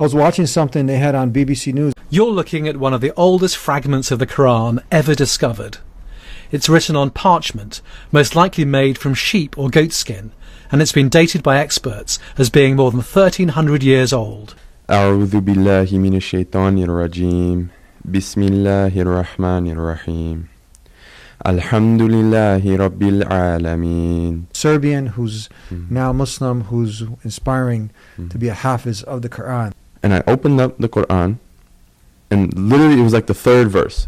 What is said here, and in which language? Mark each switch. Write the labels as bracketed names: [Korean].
[English] I was watching something they had on BBC News. You're looking at one of the oldest fragments of the Quran ever discovered. It's written on parchment, most likely made from sheep or goat skin, and it's been dated by experts as being more than 1,300 years old. [Arabic] أعوذ بالله من الشيطان الرجيم بسم الله الرحمن الرحيم الحمد لله رب العالمين. [English] Serbian who's now Muslim, who's inspiring to be a hafiz of the Quran. And I opened up the Quran, and literally it was like the third verse.